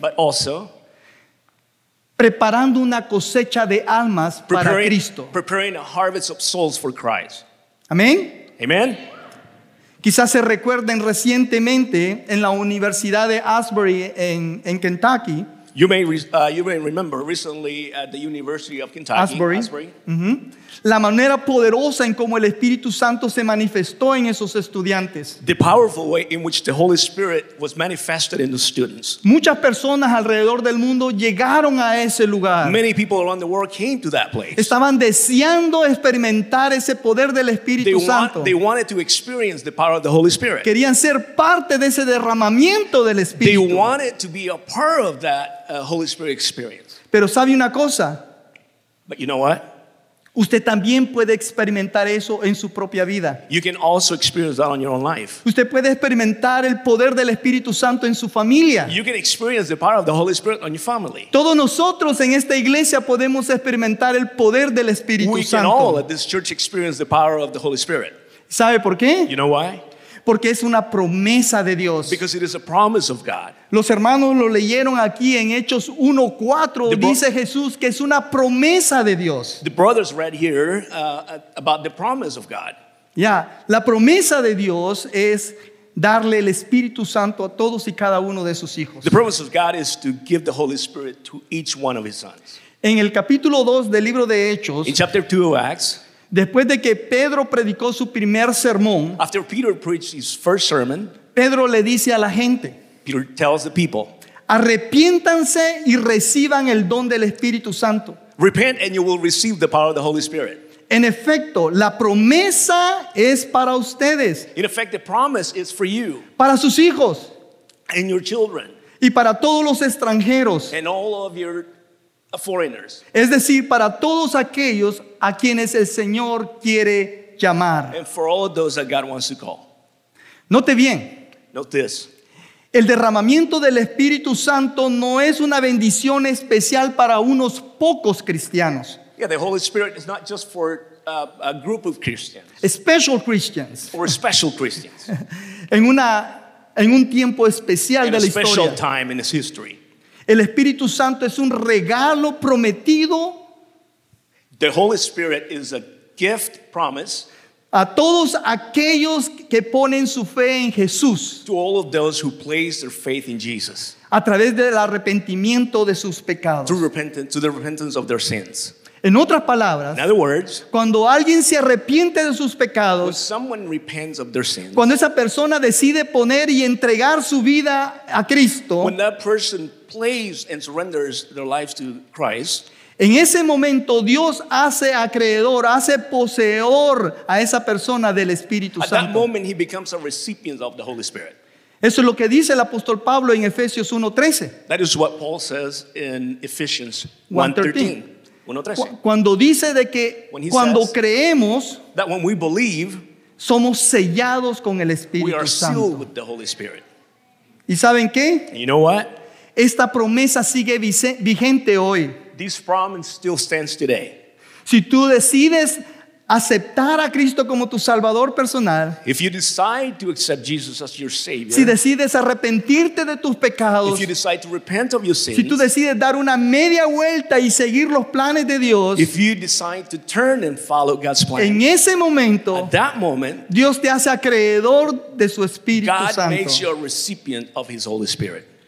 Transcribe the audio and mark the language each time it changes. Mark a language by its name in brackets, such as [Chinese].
[English] but also, [Spanish] preparando una cosecha de almas para Cristo. [English] Preparing a harvest of souls for Christ. [Spanish] Amén. [English] Amen. [Spanish] Quizás se recuerden recientemente en la Universidad de Asbury en Kentucky. [English] You may remember recently at the University of Kentucky, Asbury. Mm-hmm. [Spanish] La manera poderosa en cómo el Espíritu Santo se manifestó en esos estudiantes. [English] The powerful way in which the Holy Spirit was manifested in the students. [Spanish] Muchas personas alrededor del mundo llegaron a ese lugar. [English] Many people around the world came to that place. [Spanish] Estaban deseando experimentar ese poder del Espíritu Santo. [English] They wanted to experience the power of the Holy Spirit. [Spanish] Querían ser parte de ese derramamiento del Espíritu. [English] They wanted to be a part of that Holy Spirit experience. [Spanish] Pero sabe una cosa. [English] But you know what? [Spanish] Usted también puede experimentar eso en su propia vida. [English] You can also experience that on your own life. [Spanish] Usted puede experimentar el poder del Espíritu Santo en su familia. [English] You can experience the power of the Holy Spirit on your family. [Spanish] Todos nosotros en esta iglesia podemos experimentar el poder del Espíritu [English] we [Spanish] Santo. [English] We can all at this church experience the power of the Holy Spirit. [Spanish] ¿Sabe por qué? [English] You know why? [Spanish] Porque es una promesa de Dios. [English] Because it is a promise of God. [Spanish] Los hermanos lo leyeron aquí en Hechos 1:4. Dice Jesús que es una promesa de Dios. [English] The brothers read here about the promise of God. [Spanish] Yeah, la promesa de Dios es darle el Espíritu Santo a todos y cada uno de sus hijos. [English] The promise of God is to give the Holy Spirit to each one of his sons. [Spanish] En el capítulo 2 del libro de Hechos, [English] in chapter 2 of Acts, [Spanish] después de que Pedro predicó su primer sermón, [English] after Peter preached his first sermon, [Spanish] Pedro le dice a la gente, [English] Peter tells the people, [Spanish] arrepiéntanse y reciban el don del Espíritu Santo. [English] Repent and you will receive the power of the Holy Spirit. [Spanish] En efecto, la promesa es para ustedes. [English] In effect, the promise is for you. [Spanish] Para sus hijos. [English] And your children. [Spanish] Y para todos los extranjeros. [English] And all of your foreigners. [Spanish] Es decir, para todos aquellos a quienes el Señor quiere llamar. [English] And for all of those that God wants to call. [Spanish] Note bien. [English] Note this. [Spanish] El derramamiento del Espíritu Santo no es una bendición especial para unos pocos cristianos. [English] Yeah, the Holy Spirit is not just for a group of Christians. Special Christians. Or special Christians. [Spanish] en un tiempo especial [English] in [Spanish] de [English] a [Spanish] la historia. [English] Special time in its history. [Spanish] El Espíritu Santo es un regalo prometido. [English] The Holy Spirit is a gift promise. [Spanish] A todos aquellos que ponen su fe en Jesús. [English] To all of those who place their faith in Jesus. [Spanish] A través del arrepentimiento de sus pecados. [English] To the repentance of their sins. [Spanish] En otras palabras, [English] in other words, [Spanish] cuando alguien se arrepiente de sus pecados, [English] when someone repents of their sins, [Spanish] cuando esa persona decide poner y entregar su vida a Cristo, [English] when that person plays and surrenders their lives to Christ, [Spanish] en ese momento Dios hace acreedor, hace poseedor a esa persona del Espíritu Santo. [English] At that moment he becomes a recipient of the Holy Spirit. [Spanish] Eso es lo que dice el apóstol Pablo en Efesios 1:13. [English] That is what Paul says in Ephesians 1:13. [Spanish] Cuando dice de que cuando creemos, [English] that when we believe, [Spanish] somos sellados con el Espíritu [English] Santo. We are sealed with the Holy Spirit. [Spanish] ¿Y saben qué? [English] And you know what? [Spanish] Esta promesa sigue vigente hoy. [English] This promise still stands today. [Spanish] Si tú decides aceptar a Cristo como tu Salvador personal, [English] if you decide to accept Jesus as your Savior, [Spanish] si decides arrepentirte de tus pecados, [English] if you decide to repent of your sins, [Spanish] si tú decides dar una media vuelta y seguir los planes de Dios, [English] if you decide to turn and follow God's plan, [Spanish] en ese momento, [English] at that moment, [Spanish] Dios te hace acreedor de su Espíritu [English] God [Spanish] Santo. [English] God makes you a recipient of His Holy Spirit.